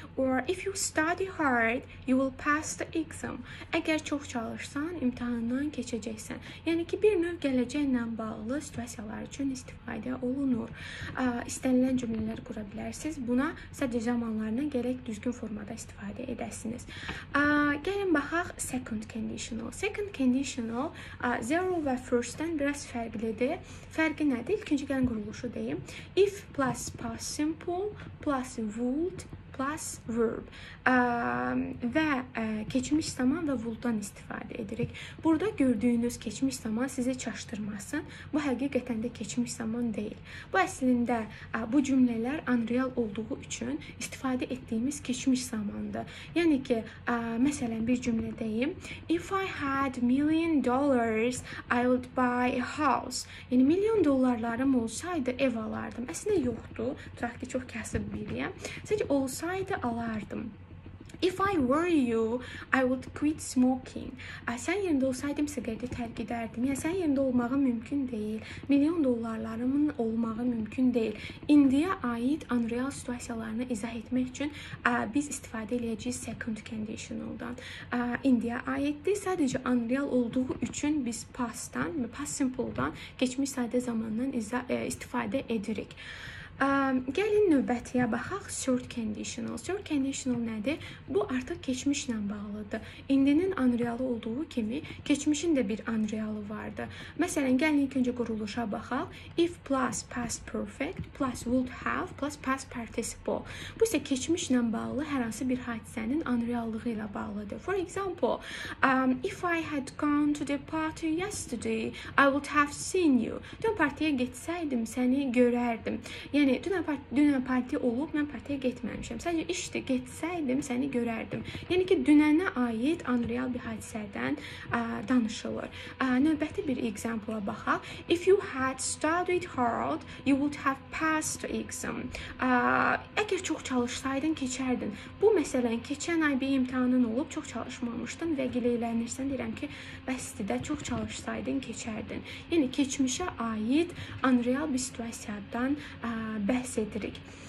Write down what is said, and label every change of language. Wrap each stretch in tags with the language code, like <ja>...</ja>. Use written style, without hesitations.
<en>Or if you study hard, you will pass the exam.</en> <az>Əgər çox çalışsan, imtihandan keçəcəksən. Yəni ki, bir növ gələcəklə bağlı situasiyalar üçün istifadə olunur. İstənilən cümlələr qura bilərsiniz. Buna sadəcə zamanlarına gərək düzgün formada istifadə edəsiniz. Gəlin baxaq, second conditional. Second conditional, zero və first-dən biraz fərqlidir. Fərqi nədir? İlk öncə gəlin quruluşu deyim.</az> <en>If plus past simple plus would plus verb.</en> <az>Və keçmiş zaman və would-dan istifadə edirik. Burada gördüyünüz keçmiş zaman sizi çaşdırmasın. Bu həqiqətən də keçmiş zaman deyil. Bu əslində bu cümlələr unreal olduğu üçün istifadə etdiyimiz keçmiş zamandır. Yəni ki, məsələn bir cümlə deyim.</az> <en>If I had million dollars, I would buy a house.</en> <az>Yəni milyon dollarlarım olsaydı ev alardım. Əslində yoxdur. Tutaq ki, çox kəsib biriyəm. Sadəcə olsa saydı alardım.</az> <en>If I were you, I would quit smoking.</en> <az>Sən yerində olsaydım sigareti tərk edərdim. Yəni, sən yerində olmağı mümkün deyil. Milyon dollarlarımın olmağı mümkün deyil. İndiyə aid unreal situasiyalarını izah etmək üçün biz istifadə edəcəyik second conditional-dan. İndiyə aiddir. Sadəcə unreal olduğu üçün biz past-dan, past simple-dan, keçmiş sadə zamandan istifadə edirik. Gəlin növbətiyə baxaq, third conditional. Third conditional nədir? Bu artıq keçmişlə bağlıdır. İndinin unrealı olduğu kimi, keçmişin də bir unrealı vardır. Məsələn, gəlin ilk öncə quruluşa baxaq.</az> <en>If plus past perfect plus would have plus past participle.</en> <az>Bu isə keçmişlə bağlı hər hansı bir hadisənin unreallığı ilə bağlıdır.</az> <en>For example, if I had gone to the party yesterday, I would have seen you.</en> <az>Dün partiyə getsəydim, səni görərdim. Yəni, dünən parti olub, mən partiyə getməmişəm. Sadəcə, işdir, getsəydim, səni görərdim. Yəni ki, dünənə aid unreal bir hadisədən danışılır. Növbəti bir example-a baxaq.</az> <en>If you had studied hard, you would have passed the exam.</en> <az>Əgər çox çalışsaydın, keçərdin. Bu, məsələn, keçən ay bir imtihanın olub, çox çalışmamışdın və gileylənirsən, deyirəm ki, bəsdir də, çox çalışsaydın, keçərdin. Yəni, keçmişə aid unreal bir situasiyadan bəhs edirik.</az>